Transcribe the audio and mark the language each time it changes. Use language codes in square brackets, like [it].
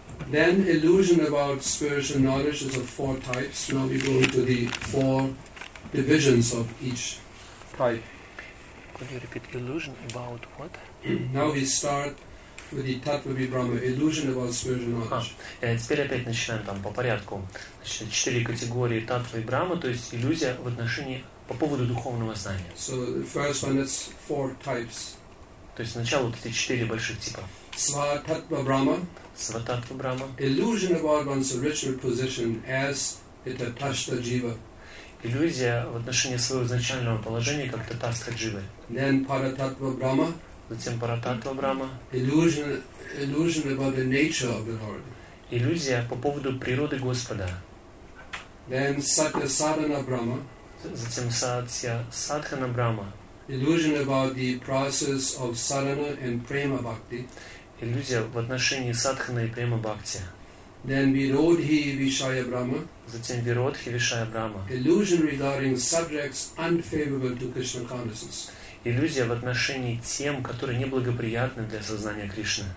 [en] Then illusion about spiritual knowledge is of four types. Now we go into the four divisions of each type. Could you repeat illusion about what? Now we start with the tattva vibrama, illusion about spiritual knowledge. [ru] А, теперь опять начинаем там по порядку. Значит, четыре категории таттва и брама, то есть иллюзия в отношении по поводу духовного знания. [en] So the first one is four types. [ru] То есть сначала вот эти четыре больших типа. [en] Svatattva brahma. Svatattva brahma. Illusion about one's original position as a tatastha jiva. [ru] Иллюзия в отношении своего изначального положения как татастха дживы. [en] Then paratattva brahma. [ru] Затем парататтва брама. [en] Illusion about the nature of the Lord. [ru] Иллюзия по поводу природы Господа. [en] Then satya sadhana brahma. [ru] Затем сатья садхана брама. [en] Illusion about the process of sadhana and prema bhakti. [ru] Иллюзия в отношении садхана и према бхакти. [en] Then virodhi vishaya brahma. [ru] Затем virodhi vishaya brahma. [en] Illusion regarding subjects unfavorable to Krishna consciousness. [ru] Иллюзия в отношении тем, которые неблагоприятны для сознания Кришны.